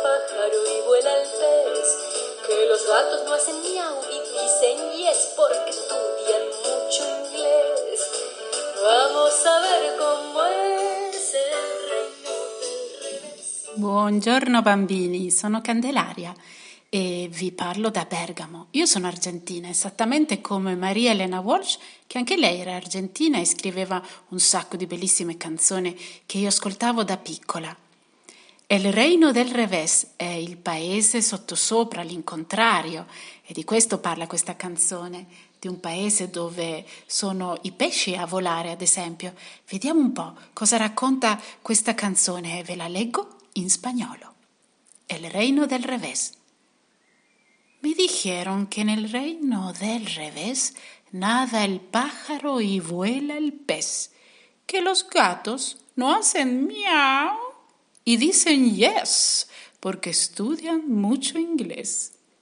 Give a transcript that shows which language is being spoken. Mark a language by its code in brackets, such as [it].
[es] claro y buena altez, que los gatos no hacen miau y dicen yes porque estudian mucho inglés. Vamos a ver cómo es el reino del revés. [it] Buongiorno bambini, sono Candelaria e vi parlo da Bergamo. Io sono argentina, esattamente come Maria Elena Walsh, che anche lei era argentina e scriveva un sacco di bellissime canzoni che io ascoltavo da piccola. El reino del revés è il paese sottosopra, l'incontrario, e di questo parla questa canzone, di un paese dove sono i pesci a volare, ad esempio. Vediamo un po' cosa racconta questa canzone, ve la leggo in spagnolo. [es] El reino del revés. Me dijeron que en el reino del revés nada el pájaro y vuela el pez, que los gatos no hacen miau y dicen yes porque estudian mucho inglés.